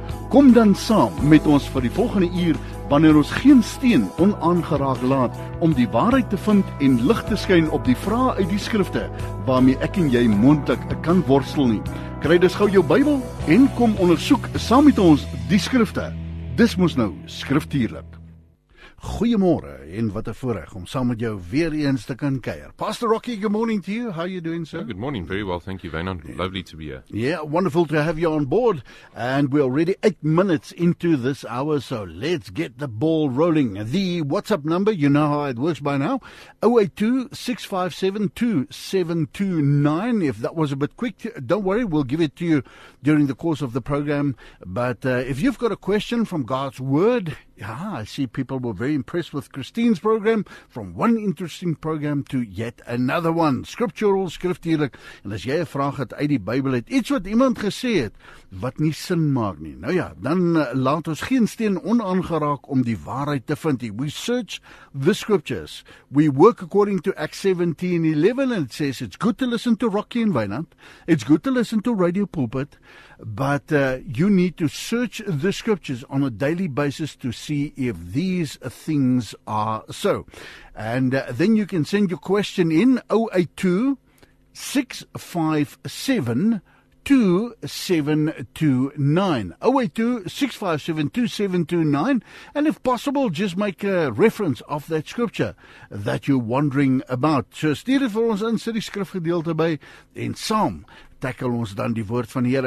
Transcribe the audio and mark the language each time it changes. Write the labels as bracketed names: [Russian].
[Afrikaans] Kom dan saam met ons vir die volgende uur, wanneer ons geen steen onaangeraak laat om die waarheid te vind en lig te skyn op die vrae uit die skrifte waarmee ek en jy moontlik kan worstel nie. Kry dus gou jou Bybel en kom ondersoek saam met ons die skrifte. Dis mos nou skriftuurlik. Goeiemôre en wat 'n voorreg om saam met jou weer eens te kan kuier. [English] Pastor Rocky, good morning to you. How are you doing, sir? Good morning. Very well, thank you, Vaynon. Lovely to be here. Yeah, wonderful to have you on board. And we're already 8 minutes into this hour, so let's get the ball rolling. The WhatsApp number, you know how it works by now, 082-657-2729. If that was a bit quick, don't worry, we'll give it to you during the course of the program. But if you've got a question from God's Word, I see people were very impressed with Christine's program, from one interesting program to yet another one. Scriptural, [Afrikaans] skriftuurlik. En as jy 'n vraag het uit die Bybel het, iets wat iemand gesê het, wat nie sin maak nie. Nou ja, dan laat ons geen steen onaangeraak om die waarheid te vind. [English] We search the scriptures. We work according to Acts 17:11, and it says it's good to listen to Rocky and Wynand. It's good to listen to Radio Pulpit. But you need to search the scriptures on a daily basis to see if these things are so. And then you can send your question in 082-657-2729. 082-657-2729. And if possible, just make a reference of that scripture that you're wondering about. [Afrikaans] So stuur dit vir ons in, sit die skrifgedeelte by en saam tackle ons dan die woord van die Here.